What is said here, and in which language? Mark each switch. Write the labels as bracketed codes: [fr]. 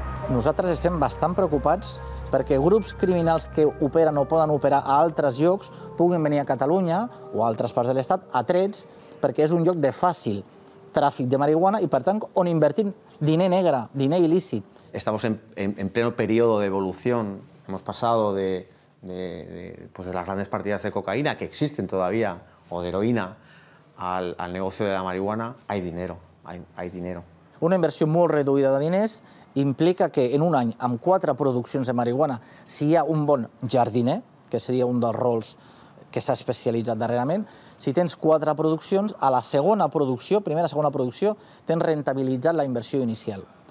[ca] Nosaltres estem bastant preocupats perquè grups criminals que operen o poden operar a altres llocs puguin venir a Catalunya o a altres parts de l'Estat atrets perquè és un lloc de fàcil tràfic de marihuana i, per tant, on invertim diner negre, diner il·lícit. [es] Estamos en pleno periodo de evolución. Hemos pasado de las grandes partidas de cocaína, que existen todavía, o de heroína, al negocio de la marihuana. Hay dinero. [ca] Una inversió molt reduïda de diners implica que en un any, amb 4 produccions de marihuana, si hi ha un bon jardiner, que seria un dels rols que s'ha especialitzat darrerament, si tens 4 produccions, a la segona producció, primera o segona producció, tens rentabilitzat la inversió inicial.